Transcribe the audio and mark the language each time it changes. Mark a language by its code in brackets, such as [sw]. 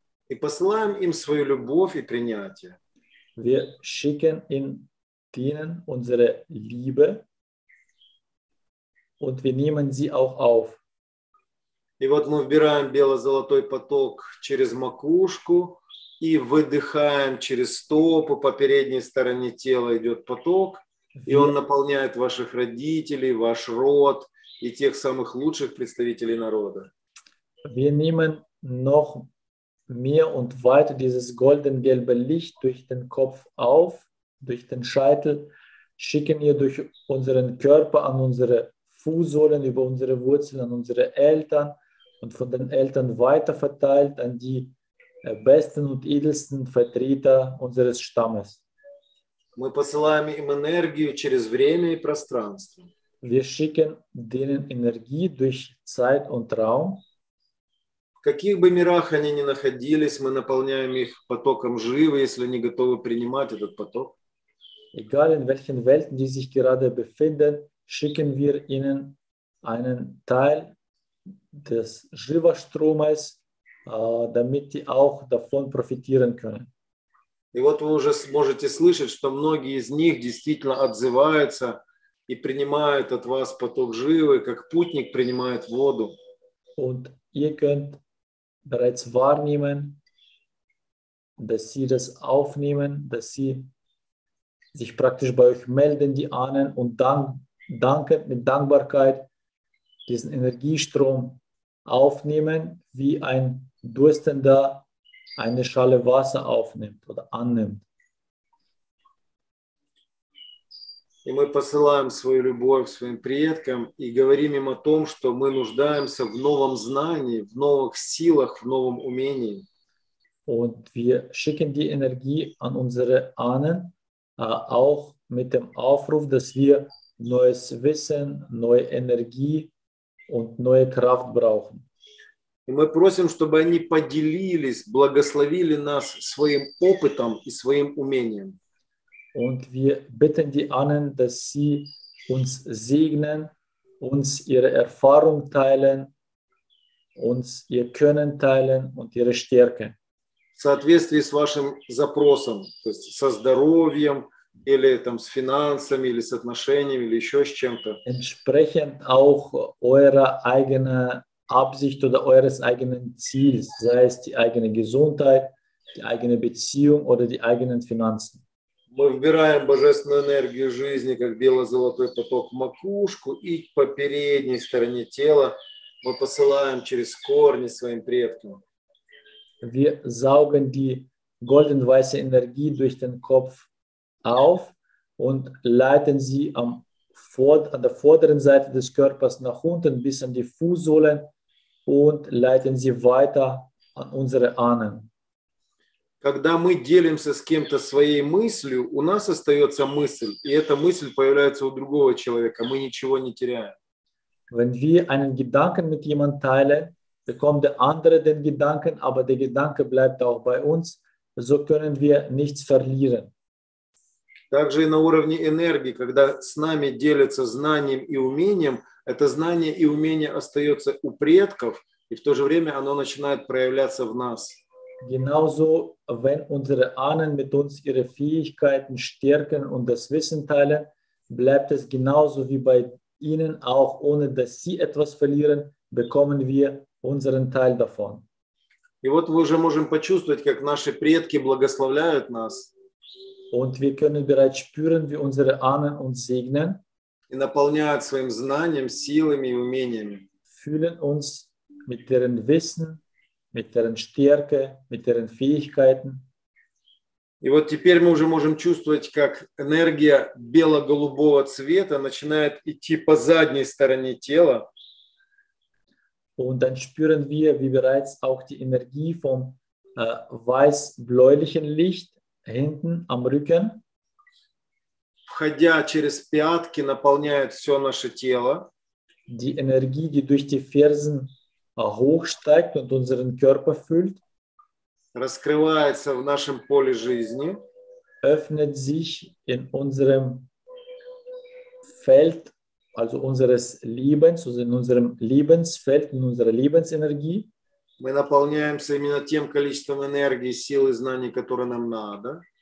[ru] И посылаем им свою любовь и принятие. [de] Wir schicken ihnen unsere Liebe und wir nehmen sie auch auf. [ru] И вот мы вбираем бело-золотой поток через макушку и выдыхаем через стопы, по передней стороне тела идет поток, и он наполняет ваших родителей, ваш род и тех самых лучших представителей народа. [de] Wir nehmen noch mehr und weiter dieses golden-gelbe Licht durch den Kopf auf, durch den Scheitel, schicken ihr durch unseren Körper an unsere Fußsohlen, über unsere Wurzeln, an unsere Eltern und von den Eltern weiter verteilt an die besten und edelsten Vertreter unseres Stammes. [ru] Мы посылаем им энергию через время и пространство. [de] Wir schicken denen Energie durch Zeit und Raum. [ru] В каких бы мирах они ни находились, мы наполняем их потоком живы, если они готовы принимать этот поток. [de] Egal in welchen Welten die sich gerade befinden, schicken wir ihnen einen Teil des Jiva-Stromes, damit die auch davon profitieren können. [ru] И вот вы уже можете слышать, что многие из них действительно отзываются и принимают от вас поток живы, как путник принимает воду. [de] Und ihr könnt bereits wahrnehmen, dass sie das aufnehmen, dass sie sich praktisch bei euch melden, die Ahnen, und dankend, mit Dankbarkeit diesen Energiestrom aufnehmen, wie ein Durstender eine Schale Wasser aufnimmt oder annimmt. [ru] И мы посылаем свою любовь своим предкам и говорим им о том, что мы нуждаемся в новом знании, в новых силах, в новом умении. [de] Und wir schicken die Energie an unsere Ahnen, auch mit dem Aufruf, dass wir neues Wissen, neue Energie und neue Kraft brauchen. [ru] И мы просим, чтобы они поделились, благословили нас своим опытом и своим умением. [de] Und wir bitten die Ahnen, dass sie uns segnen, uns ihre Erfahrung teilen, uns ihr Können teilen und ihre Stärke. [ru] В соответствии с вашим запросом, то есть со здоровьем или там с финансами или с отношениями или еще с чем-то. [de] Entsprechend auch eurer eigenen Absicht oder eures eigenen Ziels, sei es die eigene Gesundheit, die eigene Beziehung oder die eigenen Finanzen. [ru] Мы вбираем божественную энергию жизни, как бело-золотой поток, в макушку и по передней стороне тела мы посылаем через корни своим предкам. [de] Wir saugen die golden-weiße Energie durch den Kopf auf und leiten sie an der vorderen Seite des Körpers nach unten bis an die Fußsohlen und leiten sie weiter an unsere Ahnen. [ru] Когда мы делимся с кем-то своей мыслью, у нас остается мысль, и эта мысль появляется у другого человека. Мы ничего не теряем. [de] Wenn wir einen Gedanken mit jemand teilen, bekommt der andere den Gedanken, aber der Gedanke bleibt auch bei uns. So können wir nichts verlieren. [ru] Также и на уровне энергии, когда с нами делятся знанием и умением, это знание и умение остается у предков, и в то же время оно начинает проявляться в нас. [de] Genauso, wenn unsere Ahnen mit uns ihre Fähigkeiten stärken und das Wissen teilen, bleibt es genauso wie bei ihnen auch, ohne dass sie etwas verlieren, bekommen wir unseren Teil davon. [ru] И вот мы уже можем почувствовать, как наши предки благословляют нас. [de] Und wir können bereits spüren, wie unsere Ahnen uns segnen. [ru] И наполняют своим знанием, силами и умениями. [de] Fühlen uns mit deren Wissen, mit deren Stärke, mit deren Fähigkeiten. [ru] И вот теперь мы уже можем чувствовать, как энергия бело-голубого цвета начинает идти по задней стороне тела. [de] Und dann spüren wir, wie bereits auch die Energie vom weiß-bläulichen Licht hinten am Rücken, [ru] входя через пятки, наполняет все наше тело. [de] Die Energie, die durch die Fersen hochsteigt und unseren Körper füllt, [ru] раскрывается в нашем поле жизни, [de] öffnet sich in unserem Feld, also unseres Lebens, also in unserem Lebensfeld, in unserer Lebensenergie. [ru] Мы наполняемся именно тем количеством энергии, сил и знаний, которые нам надо.